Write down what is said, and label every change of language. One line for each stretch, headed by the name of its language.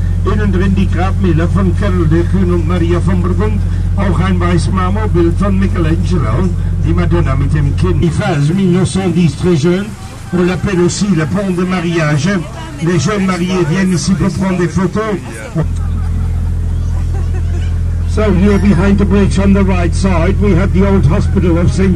German: Innen drin die Grabmäler von Karel der Kühn und Maria von Burgund, auch ein weißes Marmorbild von Michelangelo, die Madonna mit dem Kind.
French: Die Phase 1910, très jeune, on l'appelle aussi le pont de mariage. Les jeunes mariés viennent ici pour prendre des photos.
English: So here behind the bridge on the right side, we have the old hospital of St.